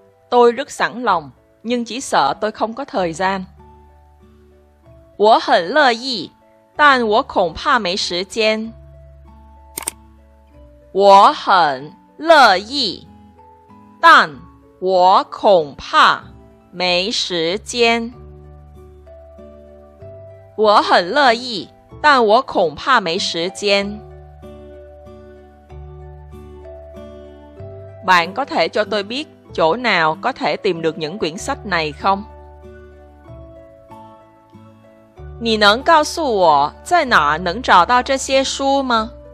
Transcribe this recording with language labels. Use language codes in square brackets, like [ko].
[vi] Tôi rất sẵn lòng, nhưng chỉ sợ tôi không có thời gian. [zh] 我很乐意, 但我恐怕没时间. 我很乐意, 但我恐怕没时间. 我很乐意, 但我恐怕没时间. [vi] Bạn có thể cho tôi biết chỗ nào có thể tìm được những quyển sách này không? [zh] 你能告诉我在哪能找到这些书吗?